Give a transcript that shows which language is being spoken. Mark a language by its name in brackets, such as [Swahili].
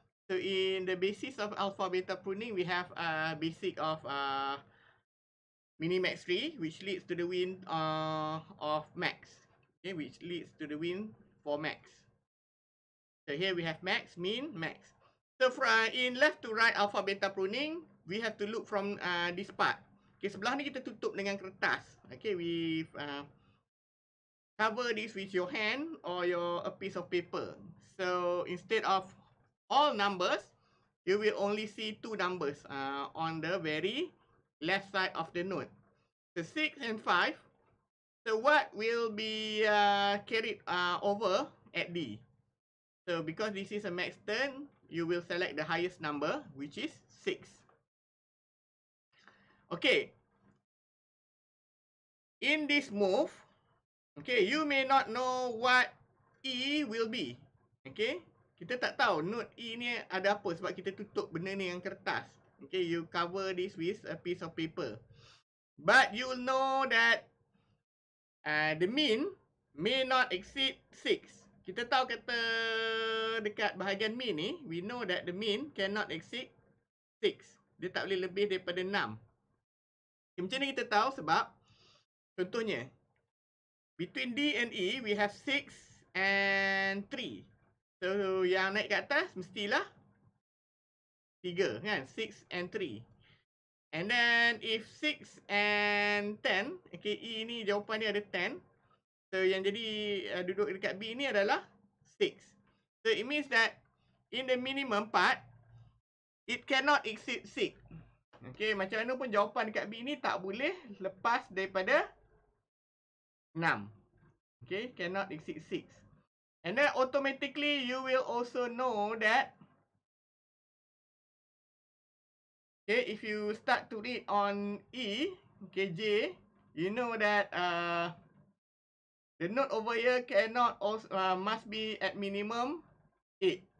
[English] So, in the basis of alpha beta pruning, we have a basic of minimax tree, which leads to the win of max. Okay, which leads to the win for max. So here we have max, min, max. So in left to right alpha beta pruning, we have to look from this part. [Malay] Okay, sebelah ni kita tutup dengan kertas. [English] Okay, we cover this with your hand or your a piece of paper. So instead of all numbers, you will only see two numbers on the very left side of the note. So 6 and 5. So what will be carried over at D? So because this is a max turn, you will select the highest number, which is 6. Okay. In this move, okay, you may not know what E will be. Okay. [Malay] Kita tak tahu note E ni ada apa sebab kita tutup benda ni dengan kertas. [English] Okay, you cover this with a piece of paper. But you will know that the mean may not exceed 6. [Malay] Kita tahu kata dekat bahagian mean ni, [English] we know that the mean cannot exceed 6. [Malay] Dia tak boleh lebih daripada 6. [English] Okay, [Malay] macam ni kita tahu sebab contohnya [English] between D and E we have 6 and 3. [Malay] So yang naik kat atas mestilah 3 kan, 6 and 3. [English] And then if 6 and 10, okay, E [Malay] ni jawapan dia ada [English] 10. [Malay] So yang jadi duduk dekat B ni adalah 6. [English] So it means that in the minimum part, it cannot exceed 6. [Malay] Okay, macam mana pun jawapan dekat B ni tak boleh lepas daripada 6. [English] Okay, cannot exceed 6. And then automatically you will also know that, okay, if you start to read on E, okay, J, you know that the note over here cannot also, must be at minimum 8.